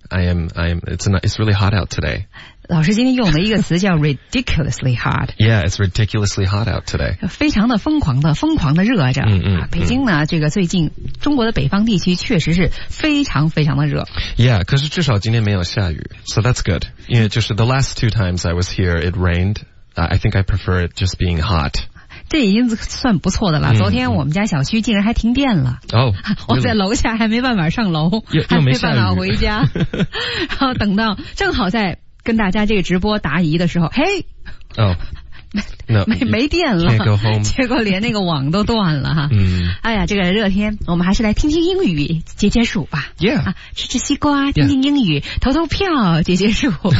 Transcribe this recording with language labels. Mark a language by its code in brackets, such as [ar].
[en] It's really hot out today. [zh] 老师今天用了一个词叫 [en] ridiculously hot. Yeah, it's ridiculously hot out today. [zh] 非常的疯狂的热着。嗯嗯、啊。北京呢、嗯、这个最近中国的北方地区确实是非常的热。 [en] Yeah, [zh] 可是至少今天没有下雨。 [en] So that's good. [zh] 因为就是 [en] the last two times I was here, it rained. I think I prefer it just being hot. [zh] 这已经算不错的了、昨天我们家小区竟然还停电了、 [en] really? [zh] 我在楼下还没办法上楼还没办法回家然后等到正好在跟大家这个直播答疑的时候嘿、没电了 结果连那个网都断了哈、哎呀这个热天我们还是来听听英语解解暑吧、吃西瓜听听英语、投投票解解暑